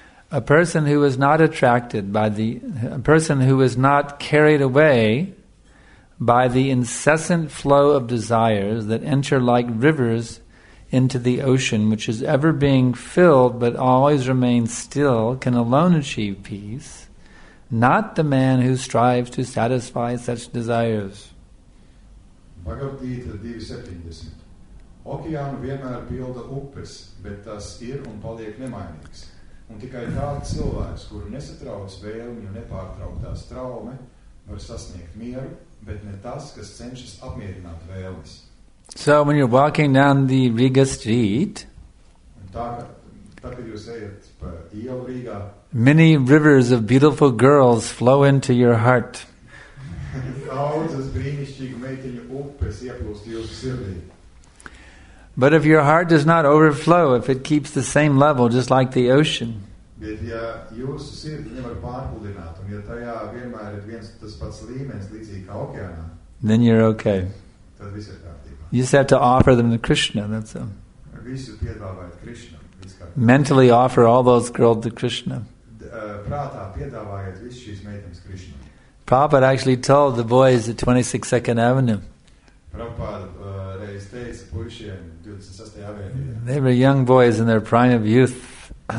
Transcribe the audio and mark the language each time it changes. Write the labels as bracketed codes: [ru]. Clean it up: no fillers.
[en] A person who is not attracted by the, a person who is not carried away by the incessant flow of desires that enter like rivers into the ocean, which is ever being filled but always remains still, can alone achieve peace, not the man who strives to satisfy such desires. Bhagavad Gita 2:70. [lv] Okeāna vienmēr pilda upes, bet tas ir un paliek nemainīgs. Un tikai tāds cilvēks, kur nesatrauc vēlmi un nepārtrauktās traume, var sasniegt mieru, bet ne tas, kas cenšas apmierināt vēlmes. [en] So when you're walking down the Riga street, [lv] tā, kad jūs ejat pa ielu Rīgā, [en] many rivers of beautiful girls flow into your heart. [lv] Daudzas brīnišķīgu meiteņu upes ieplūst jūsu sirdī. [en] But if your heart does not overflow, if it keeps the same level, just like the ocean, [lv] bet ja jūsu sirdi nevar pārpludināt, un ja tajā vienmēr ir viens tas pats līmenis, līdzīgi kā okeānā, [en] then you're okay. [lv] Tad viss ir kārtībā. [en] You just have to offer them to Krishna, that's all. [lv] Visu piedāvāt Krishna. [en] mentally offer all those girls to Krishna. [lv] Prātā piedāvājot visu šīs meitenes Krishna. [en] Prabhupāda actually told the boys at 26 Second Avenue. They were young boys in their prime of youth.